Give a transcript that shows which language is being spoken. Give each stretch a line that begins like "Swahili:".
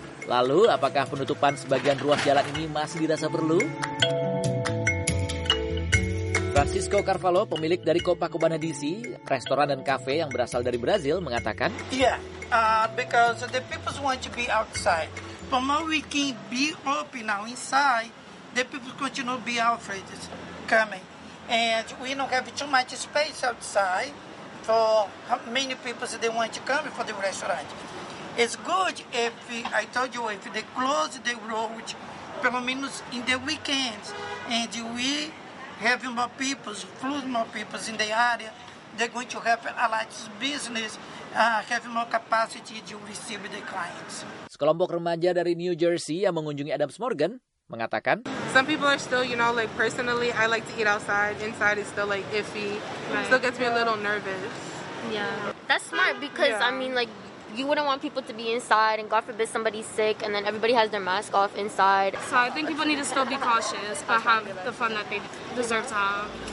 Indonesian: Lalu, apakah penutupan sebagian ruas jalan ini masih dirasa perlu? Francisco Carvalho, pemilik dari Copacabana DC, restoran dan kafe yang berasal dari Brazil, mengatakan,
English: Because the people want to be outside. But when we can be open now inside, the people continue to be afraid of coming. And we don't have too much space outside for how many people they want to come for the restaurant. It's good if, I told you, if they close the road,
Portuguese: pelo menos
English: in the weekends, and we have more people, flood more people in the area, they're going to have a lot of business, have more capacity to receive the clients.
Indonesian: Sekelompok remaja dari New Jersey yang mengunjungi Adams Morgan mengatakan,
English: some people are still, personally, I like to eat outside. Inside is still, iffy. Right. Still gets me a little nervous. Yeah. That's smart because, yeah. You wouldn't want people to be inside, and God forbid somebody's sick, and then everybody has their mask off inside. So I think people need to still be cautious, but have the fun that they deserve to have.